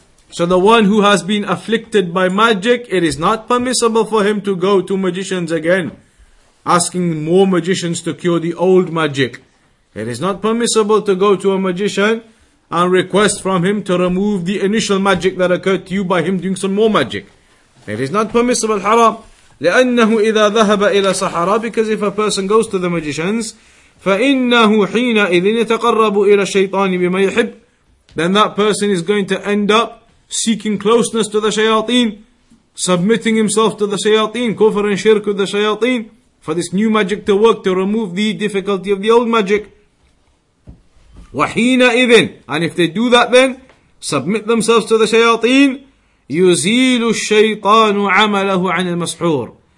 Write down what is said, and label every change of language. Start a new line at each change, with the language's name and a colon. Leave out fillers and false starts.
English: So the one who has been afflicted by magic, it is not permissible for him to go to magicians again, asking more magicians to cure the old magic. It is not permissible to go to a magician and request from him to remove the initial magic that occurred to you by him doing some more magic. It is not permissible, haram.
Arabic: لأنه إذا ذهب إلى سحرة.
English: Because if a person goes to the magicians,
Arabic: فإنه حينئذ يتقرب إلى الشيطان بما يحب.
English: Then that person is going to end up seeking closeness to the shayateen, submitting himself to the shayateen, كفر and shirk with the shayateen, for this new magic to work to remove the difficulty of the old magic.
Arabic: وَحِينَ إِذٍ.
English: And if they do that then, submit themselves to the shayateen,
Arabic: يُزِيلُ الشَّيْطَانُ عَمَلَهُ عَنِ الْمَسْحُورِ.